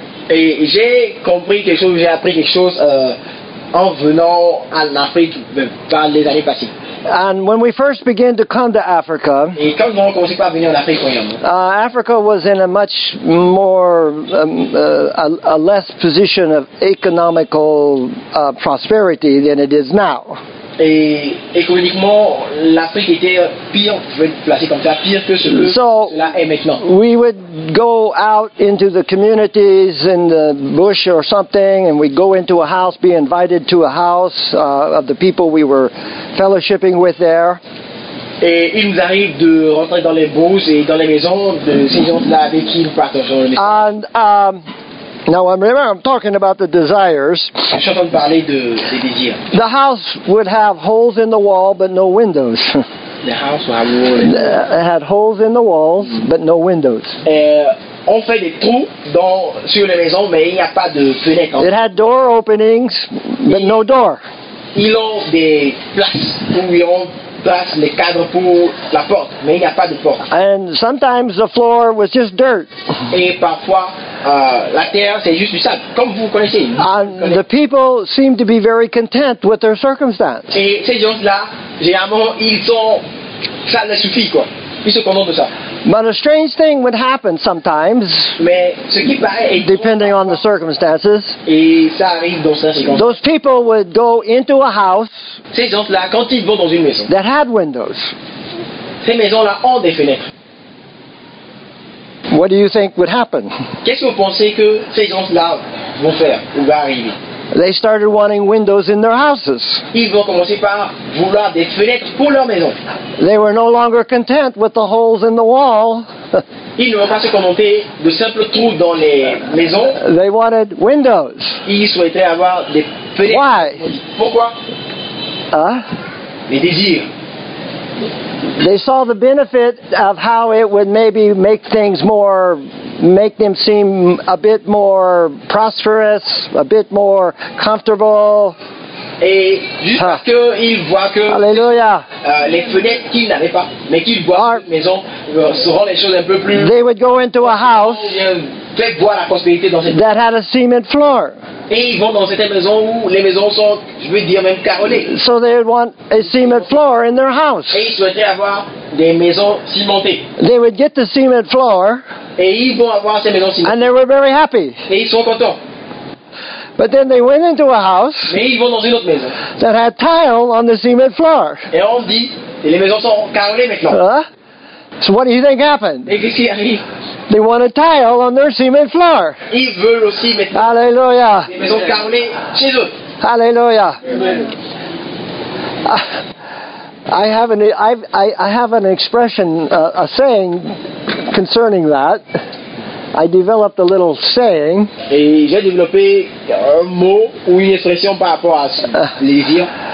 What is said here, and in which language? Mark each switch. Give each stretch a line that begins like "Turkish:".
French: Et j'ai compris quelque chose, j'ai appris quelque chose en venant en Afrique dans les années passées.
English: And when we first began to come to Africa,
French: et quand nous avons commencé à venir en Afrique,
English: Africa was in a much more a less position of economical prosperity than it is now.
French: Et économiquement, l'Afrique était pire, je vais placer comme ça, pire que ce que cela est maintenant.
English: We would go out into the communities in the bush or something, and we'd go into a house, be invited to a house of the people we were fellowshipping with there.
French: Et il nous arrive de rentrer dans les bouches et dans les maisons de ces gens-là avec qui nous partageons le message.
English: Now I'm talking about the desires.
French: Je suis en train de parler de ses désirs.
English: The house would have holes in the wall but no windows. The house would have had holes in the walls but no windows.
French: On fait des trous dans sur les maisons mais il n'y a pas de fenêtres.
English: It had door openings but no door.
French: Ils ont des places où ils ont place les cadres pour la porte mais il n'y a pas de porte.
English: And sometimes the floor was just dirt.
French: Et parfois la terre, c'est juste du sable, comme vous connaissez.
English: The people seem to be very content with their circumstance.
French: Et ces gens-là, généralement, ils sont, ça les suffit quoi. Ils se contentent de ça.
English: But a strange thing would happen sometimes.
French: Mais ce qui paraît est
English: depending on the circumstances.
French: Et ça arrive dans certaines circonstances.
English: Those people would go into a house.
French: Ces gens-là, quand ils vont dans une maison.
English: That had windows.
French: ces maisons-là ont des fenêtres.
English: What do you think would happen?
French: Qu'est-ce que vous pensez que ces gens-là vont faire ou vont arriver?
English: They started wanting windows in their houses.
French: Ils vont commencer par vouloir des fenêtres pour leur maison.
English: They were no longer content with the holes in the wall.
French: Ils ne vont pas se contenter de simples trous dans les maisons.
English: They wanted windows.
French: Ils souhaitaient avoir des fenêtres.
English: Why?
French: Pourquoi? Les désirs.
English: They saw the benefit of how it would maybe make things more, make them seem a bit more prosperous, a bit more comfortable.
French: Et juste parce qu'ils voient que les fenêtres qu'ils n'avaient pas, mais qu'ils voient dans la maison, seront les choses un peu plus.
English: They would go into a house
French: fait voir la prospérité dans cette
English: that had a cement floor.
French: Et ils vont dans cette maison où les maisons sont, je veux dire, même carrelées.
English: So they would want a cement floor in their house.
French: Et ils souhaitaient avoir des maisons cimentées.
English: They would get the cement floor.
French: Et ils vont avoir ces maisons cimentées.
English: And they were very happy.
French: Et ils sont contents.
English: But then they went into a house
French: mais ils vont dans une autre maison
English: that had tile on the cement floor.
French: Et on dit, et les maisons sont carrelées maintenant.
English: So what do you think happened?
French: Et qu'est-ce qui arrive?
English: They want a tile on their cement floor.
French: Ils veulent aussi maintenant. Hallelujah. Les maisons carrelées chez eux. Hallelujah. Amen.
English: I have an expression, a saying concerning that. I developed a little saying.
French: Et j'ai développé un mot ou une expression par rapport à ce désir.